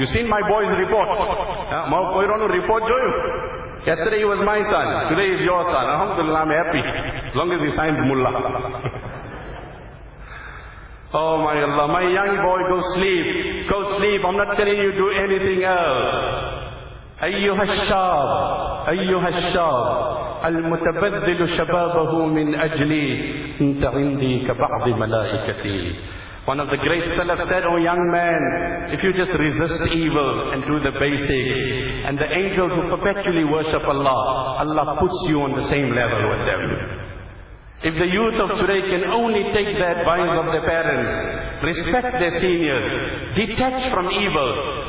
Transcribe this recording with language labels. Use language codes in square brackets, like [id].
[en] You seen my boy's report? Report to you. Yesterday he was my son, today he's your son. Alhamdulillah, I'm happy. As long as he signs mullah. Oh my Allah, my young boy, go sleep. Go sleep, I'm not telling you to do anything else. [ar] Ayyuhashab, ayyuhashab. المتبذل شبابه من أجلي انت عندي كبعض ملائكتي. [en] One of the great salaf said, oh young man, if you just resist evil and do the basics, and the angels who perpetually worship Allah, Allah puts you on the same level with them. If the youth of today can only take the advice of their parents, respect their seniors, detach from evil.